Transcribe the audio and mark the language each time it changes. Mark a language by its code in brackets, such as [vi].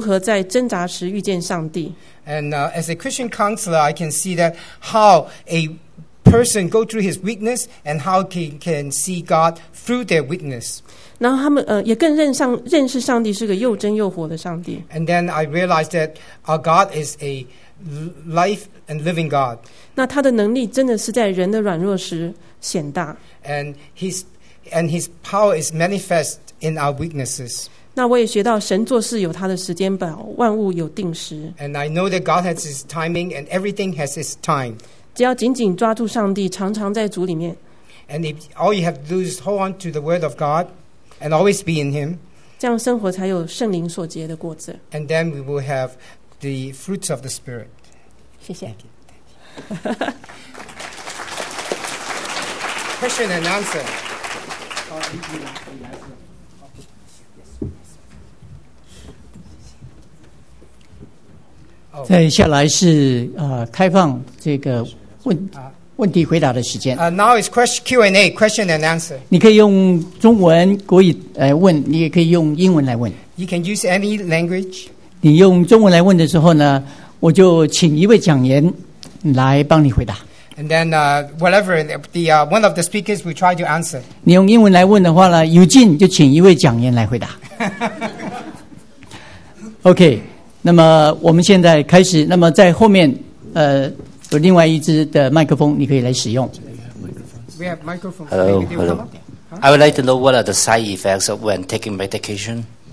[zh] 看到软弱的人如何在挣扎时遇见上帝。 [en] And as a Christian counselor, I can see that how a person go through his weakness and how he can see God through their weakness. [zh] 然后他们也更认识上帝是个又真又活的上帝。 [en] And then I realized that our God is a life and living God. [zh] 那他的能力真的是在人的软弱时显大。 [en] And his power is manifest in our weaknesses. [zh] 那我也学到神做事有他的时间表，万物有定时。 [en] And I know that God has His timing, and everything has His time. [zh] 只要紧紧抓住上帝，常常在主里面。 [en] And if all you have to do is hold on to the Word of God, and always be in Him. [zh] 这样生活才有圣灵所结的果子。 [en] And then we will have the fruits of the Spirit. [zh] 谢谢。 [en] Question and answer. Oh. [zh] 再下来是开放这个问题回答的时间。 [en] Now is question Q&A, question and answer. [zh] 你可以用中文、国语来问, 你也可以用英文来问。 [en] You can use any language. [zh] 你用中文来问的时候呢, 我就请一位讲员来帮你回答。 [en] And then whatever the one of the speakers will try to answer. [zh] 你用英文来问的话呢, 有劲就请一位讲员来回答。 [en] Okay. [zh] 那么我们现在开始，那么在后面，有另外一支的麦克风，你可以来使用。 [en] We have microphones. Hello, hello. I would like to know what are the side effects of when taking medication.